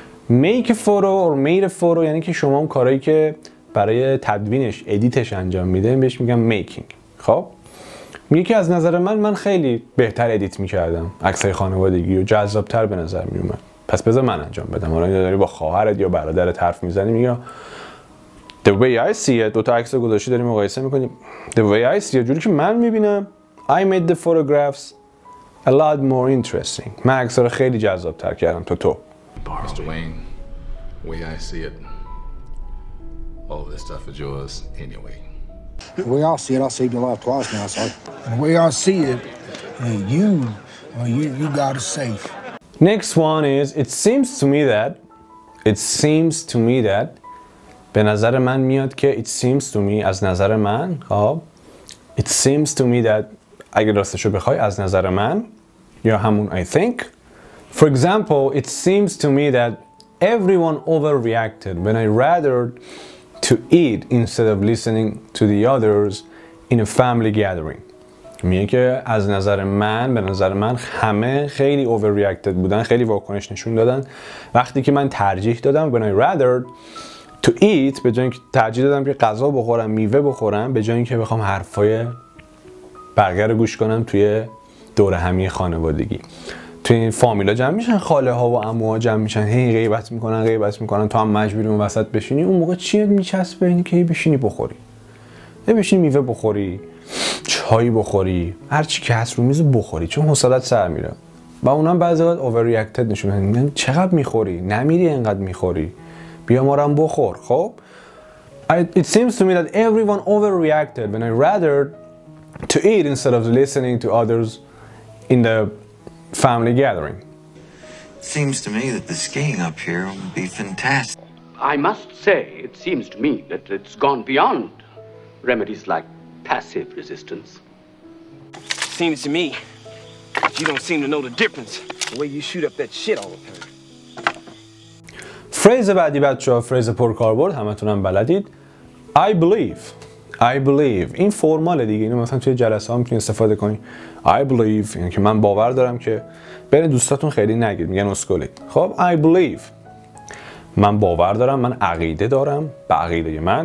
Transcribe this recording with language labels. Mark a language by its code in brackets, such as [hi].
[en] Make a photo or made a photo [fa] یعنی که شما اون کارهایی که برای تدوینش ادیتش انجام میده بهش میگم making خب میگه که از نظر من خیلی بهتر ادیت میکردم عکس‌های خانوادگی رو جذاب‌تر به نظر میومد پس بذار من انجام بدم حالا اینجا داری با خواهرت یا برادرت حرف میزنی میگه [en] The way I see it [fa] دو تا عکس گذاشتی داری مقایسه میکنی The way I see it جوری که من میبینم [en] I made the photographs a lot more interesting [fa] من عکس‌ها رو خیلی جذاب‌تر کردم تو تو [en] Mr. Wayne The way I see it All this stuff is yours anyway The way I see it, I saved your life twice now, sir. The way I see it, you got a safe. Next one is, it seems to me that, [fa] به نظر من میاد که [en] it seems to me, [fa] از نظر من, [en] خب, it seems to me that, [fa] اگر راستشو بخوای, [en] از نظر من, [fa] یا همون [en] I think. For example, it seems to me that everyone overreacted when I rather to eat instead of listening to the others in a family gathering. [fa] میگه که از نظر من به نظر من همه خیلی overreacted بودن خیلی واکنش نشون دادن وقتی که من ترجیح دادم [en] when I rather to eat [fa] به جای اینکه ترجیح دادم که غذا بخورم میوه بخورم به جای اینکه بخوام حرفای بقیه رو گوش کنم توی دور همی خانوادگی توی این فامیلا جمع میشن خاله ها و عموها جمع میشن هی غیبت میکنن تو هم مجبوری اون وسط بشینی اون موقع چیه میچسب به اینکه بشینی بخوری یه بشینی میوه بخوری چای بخوری هر چی که هست رو میز بخوری چون حوصله‌ات سر میره و اونم بعضی وقت اوورریاکتد نشون میدن چقدر میخوری نمیری اینقدر میخوری بیا ما رو هم بخور خب [en] it seems to me that everyone overreacted when I rather to eat instead of listening to others in the Family gathering. Seems to me that the skiing up here will be fantastic. I must say, it seems to me that it's gone beyond remedies like passive resistance. Seems to me that you don't seem to know the difference the way you shoot up that shit all the time. [fa] Phrase بعدی بچه ها phrase پر کاربرد همتون هم بلدید. [en] I believe [fa] این فرماله دیگه اینو مثلا توی جلسه ها میتونی استفاده کنی I believe یعنی که من باور دارم که بین دوستاتون خیلی نگید میگن اسکولی خب I believe من باور دارم من عقیده دارم به عقیده